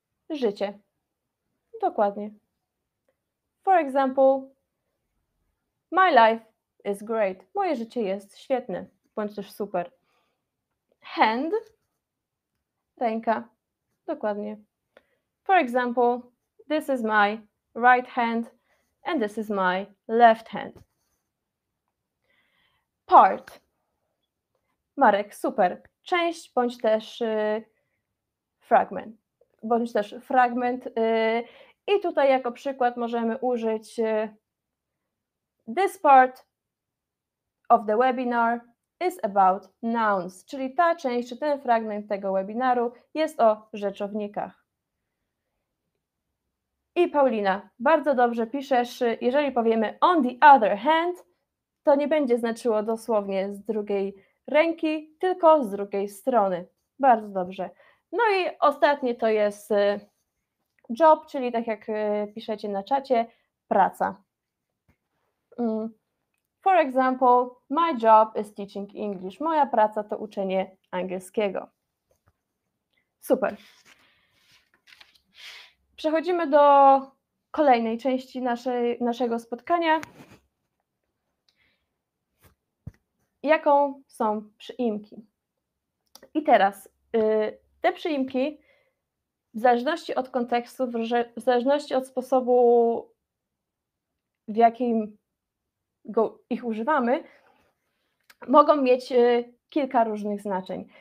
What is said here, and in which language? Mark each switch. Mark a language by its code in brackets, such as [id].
[pl] Życie. Dokładnie. [en] For example, my life is great. [pl] Moje życie jest świetne, bądź też super. Hand, ręka, dokładnie. [en] For example, this is my right hand and this is my left hand. [pl] Part, Marek, super. Część, bądź też fragment. Bądź też fragment. I tutaj jako przykład możemy użyć [en] this part of the webinar is about nouns, [pl] czyli ta część, czy ten fragment tego webinaru jest o rzeczownikach. I Paulina, bardzo dobrze piszesz, jeżeli powiemy [en] on the other hand, [pl] to nie będzie znaczyło dosłownie z drugiej ręki, tylko z drugiej strony. Bardzo dobrze. No i ostatnie to jest job, czyli tak jak piszecie na czacie, praca. [en] For example, my job is teaching English. [pl] Moja praca to uczenie angielskiego. Super. Przechodzimy do kolejnej części naszego spotkania. Jaką są przyimki? I teraz te przyimki w zależności od kontekstu, w zależności od sposobu, w jakim ich używamy, mogą mieć kilka różnych znaczeń.